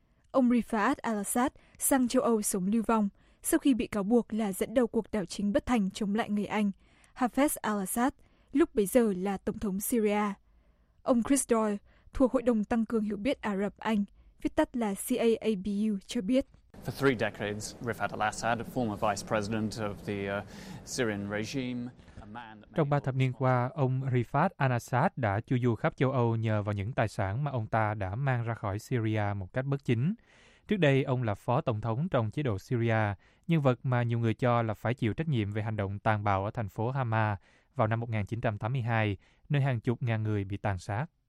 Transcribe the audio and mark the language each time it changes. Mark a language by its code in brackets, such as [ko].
[vi] Ông Rifaat al-Assad sang châu Âu sống lưu vong sau khi bị cáo buộc là dẫn đầu cuộc đảo chính bất thành chống lại người Anh, Hafez al-Assad, lúc bấy giờ là Tổng thống Syria. Ông Chris Doyle, thuộc Hội đồng Tăng cường Hiểu biết Ả Rập Anh, viết tắt là CAABU, cho biết. [en] For three decades, Rifaat al-Assad, former vice president of the Syrian regime. [vi] Trong ba thập niên qua, ông Rifaat al-Assad đã chu du khắp châu Âu nhờ vào những tài sản mà ông ta đã mang ra khỏi Syria một cách bất chính. Trước đây, ông là phó tổng thống trong chế độ Syria, nhân vật mà nhiều người cho là phải chịu trách nhiệm về hành động tàn bạo ở thành phố Hama vào năm 1982, nơi hàng chục ngàn người bị tàn sát.